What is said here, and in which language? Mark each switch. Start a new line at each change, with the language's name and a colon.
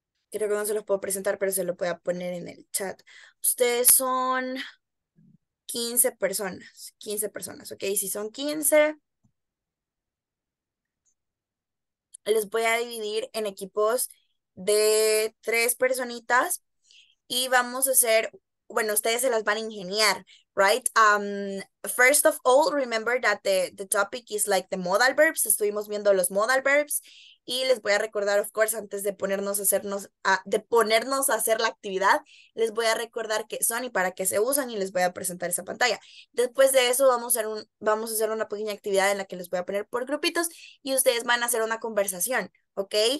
Spanish: Creo que no se los puedo presentar, pero se lo voy a poner en el chat. Ustedes son 15 personas. 15 personas, ok. Si son 15, los voy a dividir en equipos de 3 personitas y vamos a hacer, bueno, ustedes se las van a ingeniar, right?
English: First of all, remember that the topic is like the modal verbs.
Spanish: Estuvimos viendo los modal verbs. Y les voy a recordar, of course, antes de ponernos a hacer la actividad, les voy a recordar qué son y para qué se usan y les voy a presentar esa pantalla. Después de eso, vamos a hacer una pequeña actividad en la que les voy a poner por grupitos y ustedes van a hacer una conversación, ¿ok?